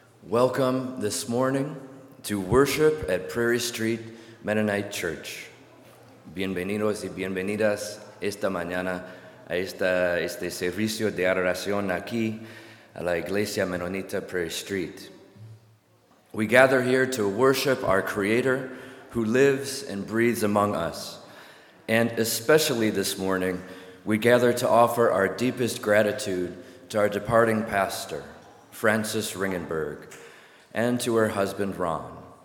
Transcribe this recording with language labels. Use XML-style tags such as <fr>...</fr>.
<en>Welcome this morning to worship at Prairie Street Mennonite Church.</en> <es>Bienvenidos y bienvenidas esta mañana a este servicio de adoración aquí a la Iglesia Mennonita Prairie Street.</es> <en>We gather here to worship our Creator who lives and breathes among us. And especially this morning, we gather to offer our deepest gratitude to our departing pastor, Frances Ringenberg, and to her husband, Ron.</en>